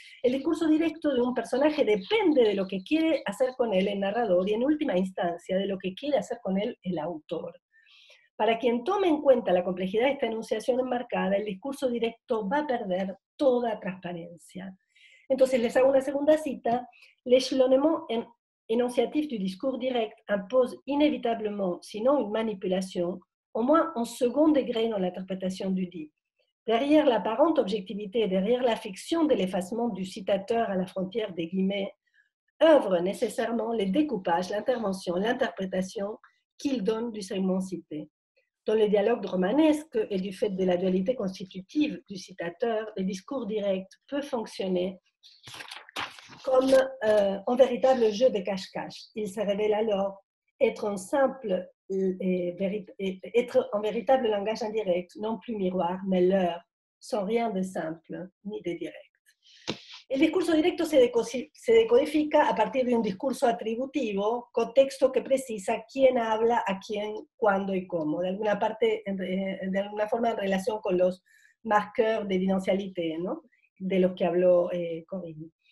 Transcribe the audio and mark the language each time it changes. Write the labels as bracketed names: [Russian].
[Spanish] El discurso directo de un personaje depende de lo que quiere hacer con él el narrador y, en última instancia, de lo que quiere hacer con él el autor. Para quien tome en cuenta la complejidad de esta enunciación enmarcada, el discurso directo va a perder toda transparencia. Entonces, les hago una segunda cita. [French] L'échelonnement en énonciatif du discours direct impose inévitablement, sinon une manipulation, au moins un second degré dans l'interprétation du dit. Derrière l'apparente objectivité, derrière la fiction de l'effacement du citateur à la frontière des guillemets, œuvre nécessairement les découpages, l'intervention, l'interprétation qu'il donne du segment cité. Dans les dialogues romanesques et du fait de la dualité constitutive du citateur, le discours direct peut fonctionner comme un véritable jeu de cache-cache. Il se révèle alors être un véritable langage indirect, non plus miroir, mais leurre, sans rien de simple ni de direct. [Spanish] El discurso directo se decodifica a partir de un discurso atributivo, contexto que precisa quién habla a quién, cuándo y cómo, de alguna forma en relación con los marqueurs de evidencialité, ¿no?, de los que habló Corinne.